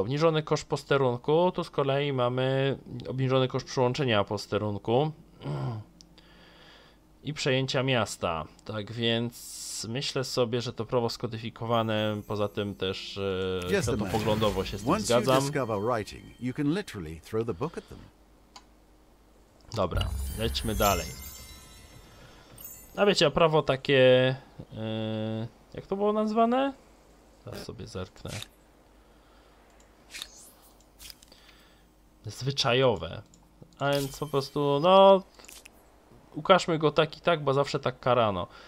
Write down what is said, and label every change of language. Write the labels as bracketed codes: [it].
[pl] Obniżony koszt posterunku, tu z kolei mamy obniżony koszt przyłączenia posterunku i przejęcia miasta. Tak więc myślę sobie, że to prawo skodyfikowane, poza tym też światopoglądowo się z tym [en] Once you [pl] zgadzam. [en] discover writing, you can literally throw the book at them. [pl] Dobra, lećmy dalej. A wiecie, a prawo takie, jak to było nazwane? Zaraz sobie zerknę. Zwyczajowe. A więc po prostu, no, ukażmy go tak i tak, bo zawsze tak karano.